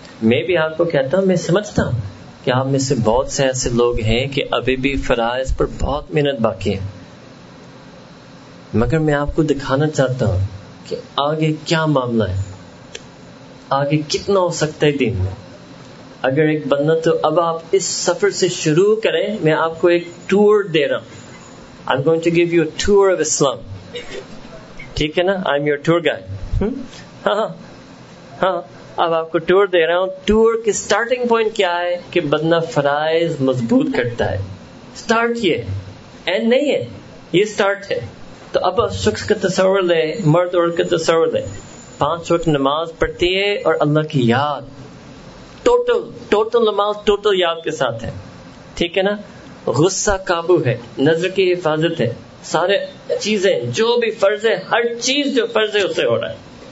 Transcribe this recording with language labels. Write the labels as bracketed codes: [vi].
[ur] میں بھی آپ کو کہتا ہوں, میں سمجھتا ہوں کہ آپ میں سے بہت سے ایسے لوگ ہیں کہ ابھی بھی فرائض پر بہت محنت باقی ہے, مگر میں آپ کو دکھانا چاہتا ہوں کہ آگے کیا معاملہ ہے, آگے کتنا ہو سکتا ہے دین میں. اگر ایک بندہ, تو اب آپ اس سفر سے شروع کریں, میں آپ کو ایک ٹور دے رہا ہوں. [en] I'm going to give you a tour of Islam. [ur] ٹھیک ہے نا, [en] I'm your tour guide. [ur] ہاں, اب آپ کو ٹور دے رہا ہوں. ٹور کے سٹارٹنگ پوائنٹ کیا ہے کہ بندہ فرائض مضبوط کرتا ہے, سٹارٹ یہ اینڈ نہیں ہے, یہ سٹارٹ ہے. تو اب شخص کا تصور لے, مرد عورت کا تصور لے, 5 وقت نماز پڑھتی ہے اور اللہ کی یاد, ٹوٹل نماز ٹوٹل یاد کے ساتھ ہے, ٹھیک ہے نا, غصہ قابو ہے, نظر کی حفاظت ہے, سارے چیزیں جو بھی فرض ہے, ہر چیز جو فرض ہے اسے ہو رہا ہے.